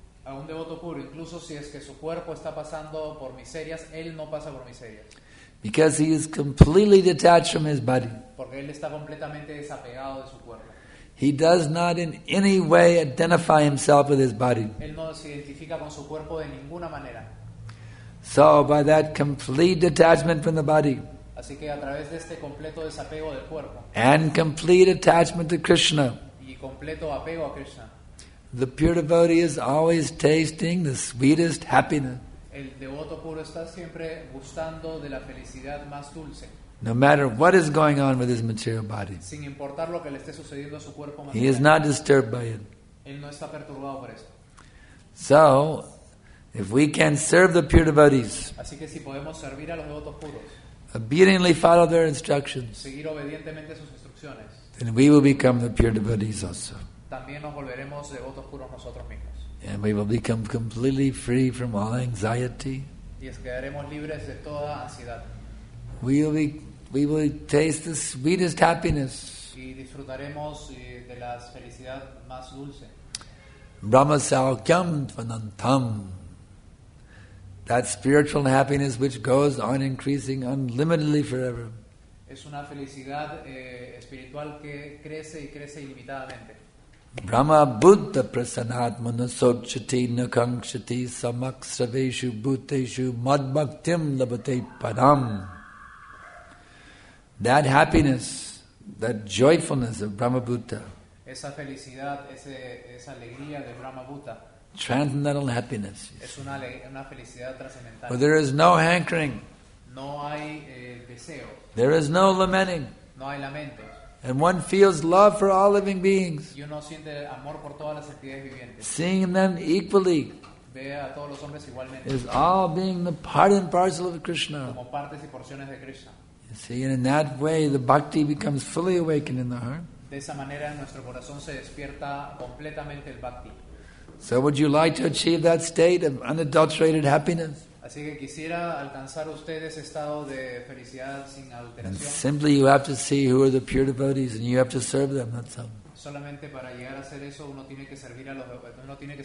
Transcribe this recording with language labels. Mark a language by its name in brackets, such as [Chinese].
[Spanish] A un devoto puro, incluso si es que su cuerpo está pasando por miserias, él no pasa por miserias. [English] Because he is completely detached from his body. [Spanish] Porque él está completamente desapegado de su cuerpo. [English] He does not in any way identify himself with his body. [Spanish] Él no se identifica con su cuerpo de ninguna manera. [English] So by that complete detachment from the body. [Spanish] Así que a través de este completo desapego del cuerpo, [English] and complete attachment to Krishna, [Spanish] y completo apego a Krishna, [English] the pure devotee is always tasting the sweetest happiness. [Spanish] El devoto puro está siempre gustando de la felicidad más dulce. [English] No matter what is going on with his material body, [Spanish] sin importar lo que le esté sucediendo a su cuerpo material, [English] he is not disturbed by it. [Spanish] Él no está perturbado por eso. [English] So, if we can serve the pure devotees, [Spanish] así que si podemos servir a los devotos puros, [English] obediently follow their instructions, [Spanish] seguir obedientemente sus instrucciones, [English] then we will become the pure devotees also. [Spanish] También nos volveremos devotos puros nosotros mismos. [English] And we will become completely free from all anxiety. [Spanish] Y quedaremos libres de toda ansiedad. [English] We will taste the sweetest happiness. [Spanish] Y disfrutaremos de la felicidad más dulce. [Sanskrit] Brahma saukhyam tvanantam. [English] That spiritual happiness which goes on increasing unlimitedly forever. [Spanish] Es una felicidad espiritual que crece y crece ilimitadamente. [Sanskrit] Brahma buddha prasanatmana sochati nakankshati samaksraveshu bhuteshu madbhaktim labhate param. [English] That happiness, that joyfulness of Brahma Buddha, [Spanish] esa felicidad, esa alegría de Brahma Buddha, [English] transcendental happiness, [Spanish] es una felicidad trascendental. [English] But there is no hankering, [Spanish] no hay deseo, [English] there is no lamenting, [Spanish] no hay lamentos, [English] and one feels love for all living beings, [Spanish] y uno siente amor por todas las entidades vivientes, [English] seeing them equally, [Spanish] ve a todos los hombres igualmente, [English] is all being the part and parcel of Krishna, [Spanish] como partes y porciones de Krishna. [English] See, and in that way, the bhakti becomes fully awakened in the heart. [Spanish] De esa manera, nuestro corazón se despierta completamente el bhakti. [English] So, would you like to achieve that state of unadulterated happiness? [Spanish] Así que quisiera alcanzar usted ese estado de felicidad sin adulteración. [English] And simply, you have to see who are the pure devotees, and you have to serve them. That's all. [Spanish] Solamente para llegar a hacer eso, uno tiene que servir a los uno tiene que